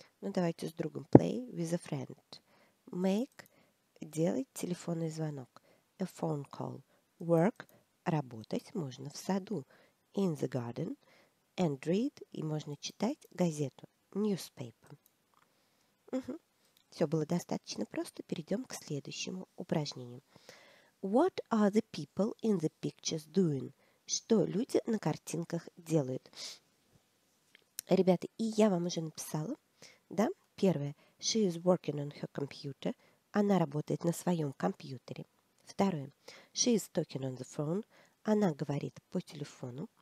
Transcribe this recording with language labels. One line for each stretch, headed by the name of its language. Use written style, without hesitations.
Russian: Ну, давайте с другом,
English: play with a friend. Make,
Russian: делать телефонный звонок,
English: a phone call. Work,
Russian: работать можно в саду,
English: in the garden, and read,
Russian: и можно читать газету,
English: newspaper.
Russian: Угу. Все было достаточно просто. Перейдем к следующему упражнению.
English: What are the people in the pictures doing?
Russian: Что люди на картинках делают? Ребята, и я вам уже написала, да? Первое.
English: She is working on her computer.
Russian: Она работает на своем компьютере. Второе.
English: She is talking on the phone.
Russian: Она говорит по телефону.